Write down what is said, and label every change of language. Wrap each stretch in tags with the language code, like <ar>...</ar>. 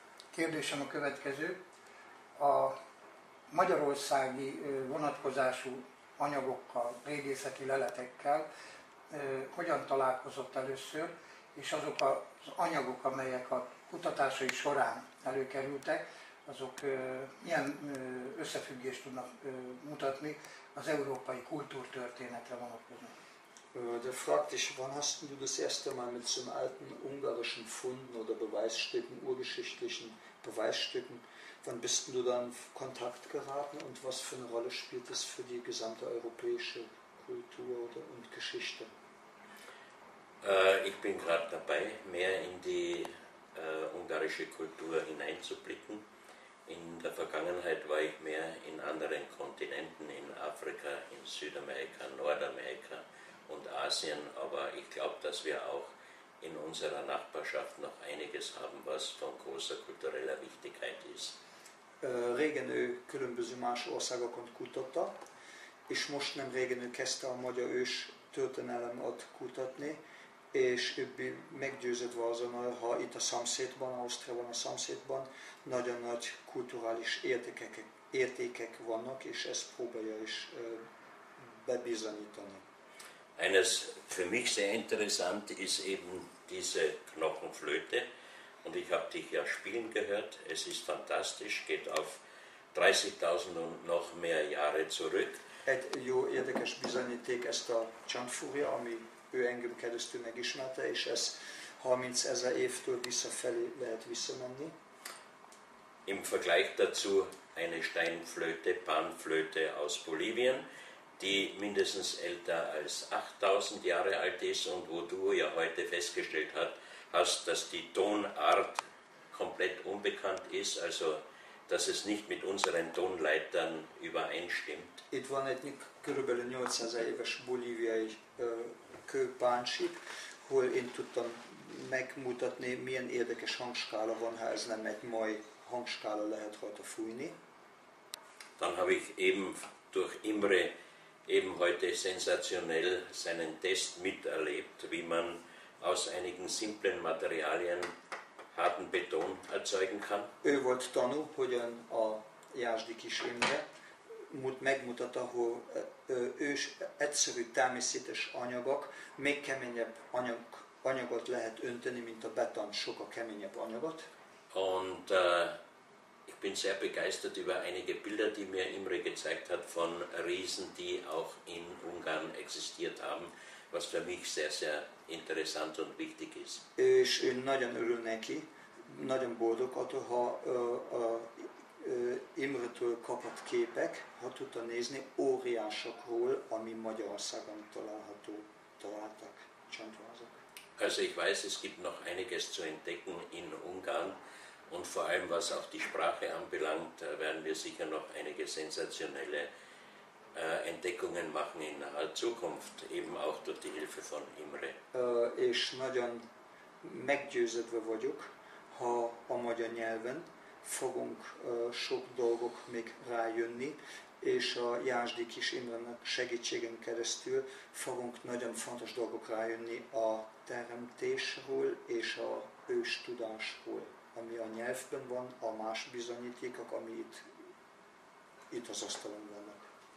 <hu>Kérdésem a következő. A magyarországi vonatkozású anyagokkal, régészeti leletekkel hogyan találkozott először, és azok az anyagok, amelyek a kutatásai során előkerültek, azok milyen összefüggést tudnak mutatni az európai kultúrtörténetre vonatkozóan?</hu> <de>Der fragt dich, wann hast du das erste Mal mit so einem alten ungarischen Funden oder Beweisstücken, urgeschichtlichen Beweisstücken, wann bist du da in Kontakt geraten und was für eine Rolle spielt das für die gesamte europäische Kultur oder, und Geschichte? Ich bin gerade dabei, mehr in die ungarische Kultur hineinzublicken. In der Vergangenheit war ich mehr in anderen Kontinenten, in Afrika, in Südamerika, Nordamerika und Asien, aber ich glaube, dass wir auch in unserer Nachbarschaft noch einiges haben, was von großer kultureller Wichtigkeit ist.</de> <hu>Régen ő különböző más országokon kutatta, és most nem régen ő kezdte a magyar ős történelemet kutatni, és ő meggyőződve azon, ha itt a szomszédban, Ausztriában a szomszédban nagyon nagy kulturális értékek vannak, és ezt próbálja is bebizonyítani.</hu> <de>Eines für mich sehr interessant ist eben diese Knochenflöte und ich habe dich ja spielen gehört. Es ist fantastisch, geht auf 30.000 und noch mehr Jahre zurück.</de> <hu>Egy jó érdekes bizonyíték ezt a csantfúria, ami ő engem keresztül megismerte, és ez 30.000 évtől visszafelé lehet visszamenni.</hu> <de>Im Vergleich dazu eine Steinflöte, Panflöte aus Bolivien, die mindestens älter als 8000 Jahre alt ist und wo du ja heute festgestellt hast, dass die Tonart komplett unbekannt ist, also dass es nicht mit unseren Tonleitern übereinstimmt.</de> <hu>Itt van egy körülbelül 800 éves bolíviai kőpáncsik, hol én tudtam megmutatni, milyen érdekes hangskála van, ha ez nem egy mai hangskála lehet rajta fújni.</hu> <de>Dann habe ich eben durch Imre eben heute sensationell seinen Test miterlebt, wie man aus einigen simplen Materialien harten Beton erzeugen kann.</de> <hu>Ő volt tanú, hogyan a Jászdi kis Imre megmutatta, hogy ős egyszerű természetes anyagok még keményebb anyagot lehet önteni, mint a beton, sokkal keményebb anyagot.</hu> <de>Und ich bin sehr begeistert über einige Bilder, die mir Imre gezeigt hat von Riesen, die auch in Ungarn existiert haben, was für mich sehr, sehr interessant und wichtig ist.</de> <hu>És ő nagyon örül neki, nagyon boldog attól, ha Imre-től kapott képek, ha tudta nézni óriásokról, ami Magyarországon található, találtak csontvázak.</hu> <de>Also ich weiß, es gibt noch einiges zu entdecken in Ungarn, und vor allem was auch die Sprache anbelangt, werden wir sicher noch einige sensationelle Entdeckungen machen in naher Zukunft, eben auch durch die Hilfe von Imre.</de> <hu>És nagyon meggyőződve vagyok, ha a magyar nyelven fogunk sok dolgok még rájönni, és a Jászdi kis Imre segítségen keresztül fogunk nagyon fontos dolgok rájönni a teremtésről és a ős tudásról, ami a nyelvben van, a más bizonyítékok, ami itt az asztalon vannak.</hu>